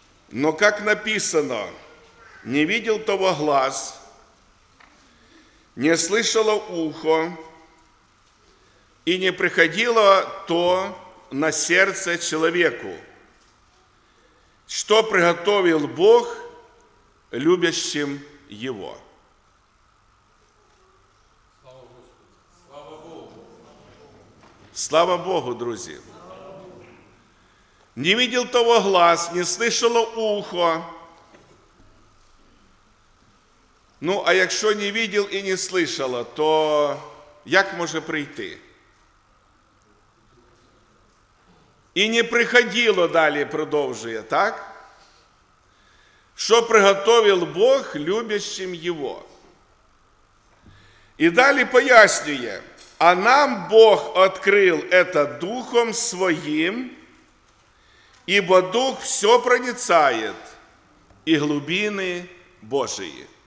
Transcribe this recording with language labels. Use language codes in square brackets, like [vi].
[ru] Но как написано, не видел того глаз, не слышало ухо, и не приходило то на сердце человеку, что приготовил Бог любящим его. Слава Богу, друзі! Не видел того глаз, не слышало ухо. [uk] Ну, а якщо [ru] не видел [uk] і [ru] не слышало, [uk] то як може прийти? І не приходило, далі продовжує, так? Що приготовив Бог любящим Його? І далі пояснює. [ru] А нам Бог открыл это Духом Своим, ибо Дух все проницает, и глубины Божии.